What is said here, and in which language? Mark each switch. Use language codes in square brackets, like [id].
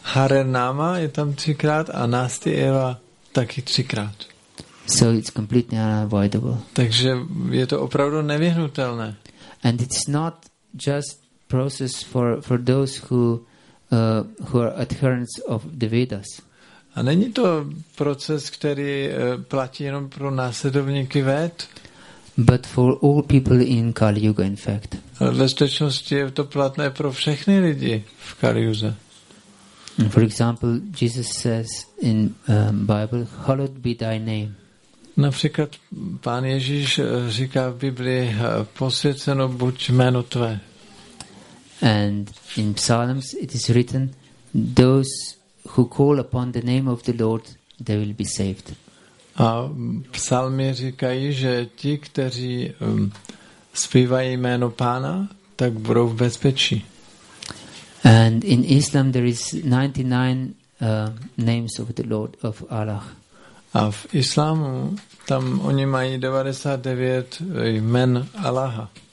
[cs] Hare Nama je tam třikrát a Nasti Eva taky třikrát. [en] So it's completely unavoidable. [cs] Takže je to opravdu nevyhnutelné. [en] And it's not just process for those who are adherents of the Vedas. [cs] A není to proces, který platí jenom pro následovníky Véd? [en] But for all people in Kali Yuga, in fact. [cs] Ve skutečnosti je to platné pro všechny lidi v Kali Yuze. [en] For example, Jesus says in Bible, "Hallowed be thy name." [cs] Například Pán Ježíš říká v Biblii, posvěceno buď jméno tvé. [en] And in Psalms it is written, those who call upon the name of the Lord, they will be saved. [cs] A psalmy říkají, že ti, kteří zpívají jméno Pána, tak budou v bezpečí. [en] And in Islam there is 99 names of the Lord of Allah. [cs] A v islámu tam oni mají 99 jmen Allaha.